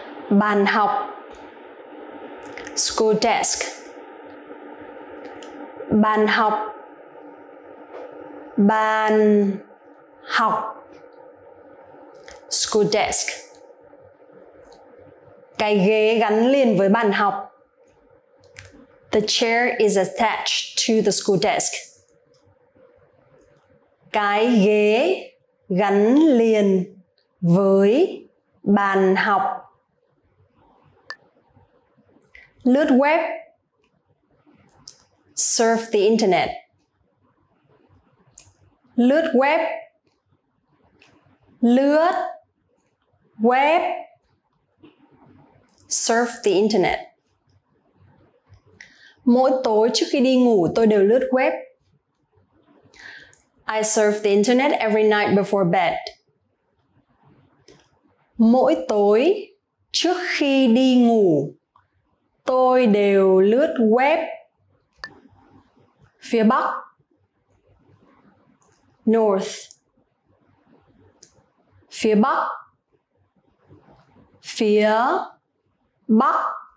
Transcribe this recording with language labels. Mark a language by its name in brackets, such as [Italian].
[Vietnamese] Bàn học. [English] School desk. [Vietnamese] Bàn học. Bàn học. [English] School desk. [Vietnamese] Cái ghế gắn liền với bàn học. [English] The chair is attached to the school desk. [Vietnamese] Cái ghế gắn liền với bàn học. Lướt web. [English] Surf the internet. [Vietnamese] Lướt web. Lướt web. [English] Surf the internet. [Vietnamese] Mỗi tối trước khi đi ngủ, tôi đều lướt web. [English] I surf the internet every night before bed. [Vietnamese] Mỗi tối trước khi đi ngủ, tôi đều lướt web. Phía Bắc. [English] North. [Vietnamese] Phía Bắc. Phía Bắc.